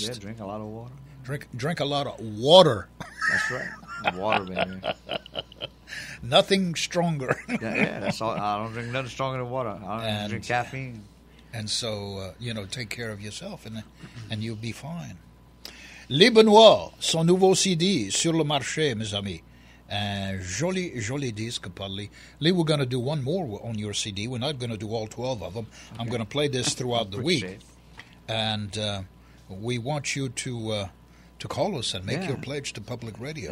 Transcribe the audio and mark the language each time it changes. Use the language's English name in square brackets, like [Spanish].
[English] Yeah, drink a lot of water. Drink a lot of water. That's right. Water, baby. Nothing stronger. That's all. I don't drink nothing stronger than water. I drink caffeine. And so, you know, take care of yourself and you'll be fine. [French] Libanois, son nouveau CD, sur le marché, mes amis. Joli, joli disque, Paddy. [English] Lee, we're going to do one more on your CD. We're not going to do all 12 of them. Okay. I'm going to play this throughout the week. And we want you to call us and make your pledge to public radio.